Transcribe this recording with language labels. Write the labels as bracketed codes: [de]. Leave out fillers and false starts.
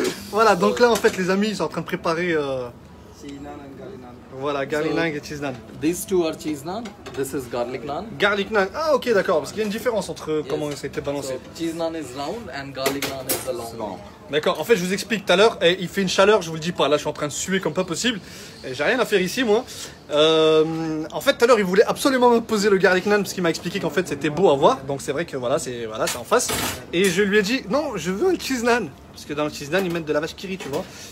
[fr] Voilà, donc là en fait les amis ils sont en train de préparer. Voilà, garlic naan et cheese naan. [en] These two are cheese naan. This is garlic naan. Garlic naan. [fr] Ah ok, d'accord, parce qu'il y a une différence entre comment ça a été balancé. [en] Cheese naan is round and garlic naan is the long. [fr] D'accord, en fait je vous explique tout à l'heure, il fait une chaleur, je vous le dis pas, là je suis en train de suer comme pas possible, et j'ai rien à faire ici moi. En fait tout à l'heure il voulait absolument me poser le garlic naan parce qu'il m'a expliqué qu'en fait c'était beau à voir, donc c'est vrai que voilà, c'est en face. Et je lui ai dit, non je veux un cheese naan, parce que dans le cheese naan ils mettent de la vache qui rit, tu vois.